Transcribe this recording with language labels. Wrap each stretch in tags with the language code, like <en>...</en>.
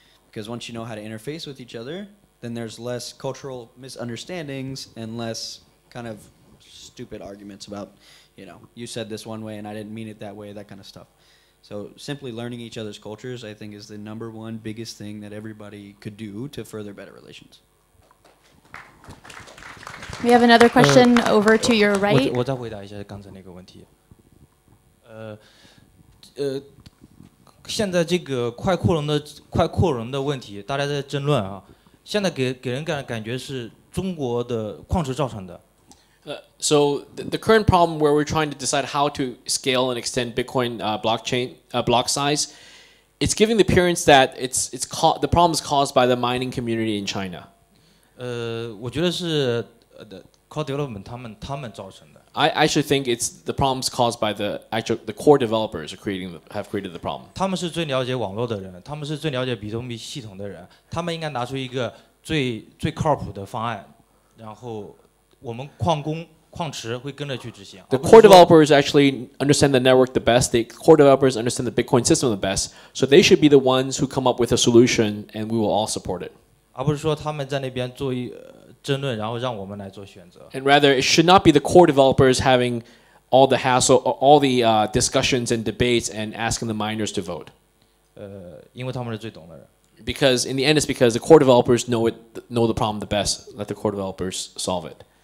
<en>Because once you know how to interface with each other, then there's less cultural misunderstandings and less kind of stupid arguments about, you know, you said this one way and I didn't mean it that way, that kind of stuff. So simply learning each other's cultures, I think, is the number one biggest thing that everybody could do to further better relations. We have another question over to your right.</en> <zh>我再回答一下刚才那个问题。现在这个快扩容的问题，大家在争论啊。现在给人感觉是中国的矿池造成的。</zh> <en>So the current problem where we're trying to decide how to scale and extend Bitcoin blockchain block size, it's giving the appearance that the problem is caused by the mining community in China.</en> <zh>我觉得是</zh> <en>core development</en> <zh>他们造成的。</zh> <en>I actually think it's the problems caused by the core developers have created the problem.</en> <zh>他们是最了解网络的人，他们是最了解比特币系统的人，他们应该拿出一个最靠谱的方案，然后我们矿池会跟着去执行。</zh> <en>The core developers actually understand the network the best. The core developers understand the Bitcoin system the best. So they should be the ones who come up with a solution, and we will all support it.</en> <zh>而不是说他们在那边做一。争论，然后让我们来做选择。</zh> <en>And rather, it should not be the core developers having all the hassle, all the discussions and debates, and asking the miners to vote.</en> <zh>因为他们是最懂的人。</zh> <en>Because in the end, it's because the core developers know the problem the best. Let the core developers solve it.</en>